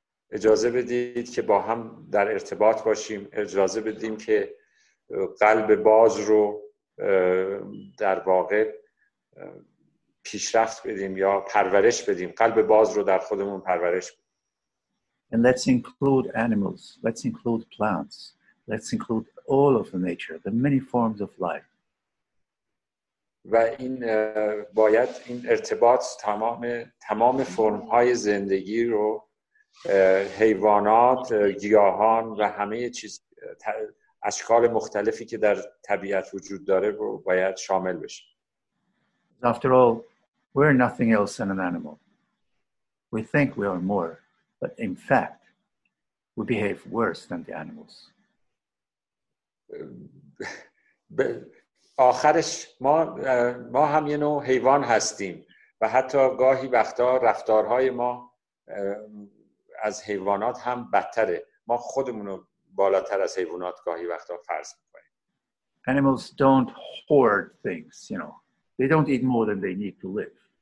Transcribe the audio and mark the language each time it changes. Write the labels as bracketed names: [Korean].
[Persian] اجازه بدید که با هم در ارتباط باشیم. اجازه بدیم که قلب باز رو در واقع پیشرفت بدیم یا پرورش بدیم. قلب باز رو در خودمون پرورش بدیم. [English] And let's include animals. Let's include plants. Let's include all of the nature, the many forms of life. [Persian] و این باید این ارتباط تمام فرم‌های زندگی رو، حیوانات، گیاهان و همه چیز اشکال مختلفی که در طبیعت وجود داره رو باید شامل بشه. [English] After all, we are nothing else than an animal. We think we are more, but in fact, we behave worse than the animals. [Persian] آخرش ما هم یه نوع حیوان هستیم و حتی گاهی وقتا رفتارهای ما از حیوانات هم بدتره. ما خودمونو بالاتر از حیوانات گاهی وقتا فرض میکنیم. [English] Animals don't hoard things, you know. They don't eat more than they need to live.